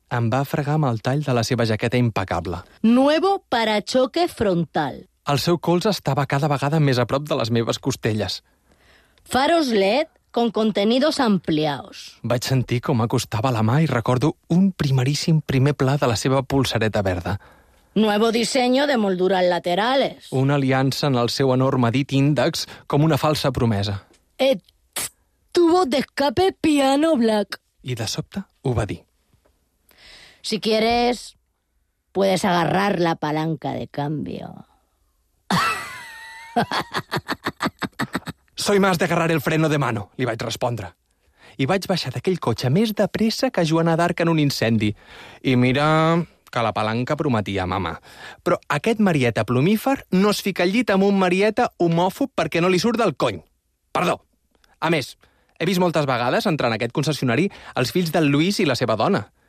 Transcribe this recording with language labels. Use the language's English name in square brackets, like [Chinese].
[Catalan] Em va fregar amb el tall de la seva jaqueta impecable. [Spanish] Nuevo parachoque frontal. [Catalan] El seu colze estava cada vegada més a prop de les meves costelles. [Spanish] Faros LED con contenidos ampliados. [Catalan] Vaig sentir com acostava la mà i recordo un primeríssim primer pla de la seva polsareta verda. [Spanish] Nuevo diseño de molduras laterales. [Catalan] Una aliança en el seu enorme dit índex com una falsa promesa. [Spanish] Et tubo de escape piano black. [Catalan] I de sobte ho va dir. [Spanish] Si quieres, puedes agarrar la palanca de cambio. Soy más de agarrar el freno de mano, [Catalan] li vaig respondre. I vaig baixar d'aquell cotxe més de pressa que Joana d'Arc en un incendi. I mira que la palanca prometia, mama. Però aquest Marieta plumífer no es fica al llit amb un Marieta homòfob perquè no li surt del cony. Perdó. A més, he vist moltes vegades entrar en aquest concessionari els fills del Lluís i la seva dona.